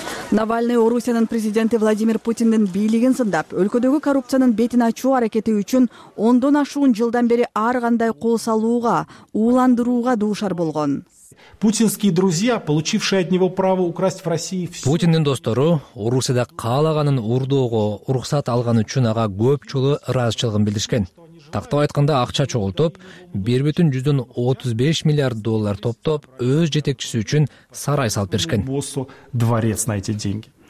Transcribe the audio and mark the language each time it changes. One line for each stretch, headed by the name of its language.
Kyrgyz: Навальный Орусиянын президенти Владимир Путиндин бийлигин сындап, өлкөдөгү коррупциянын бетин ачуу аракети үчүн ондон ашуун жылдан бери ар кандай кол салууга, ууландырууга дуушар болгон.
Russian: Путинские друзья, получившие от него право украсть в России всё.
Kyrgyz: Путиндин достору Орусияда каалаганын урдоого уруксат алган үчүн ага көп жолу ыраазычылыгын билдиришкен. Тактап айтканда, акча чогултуп, 1,35 миллиард доллар топтоп, өз жетекчиси үчүн сарай салып беришкен.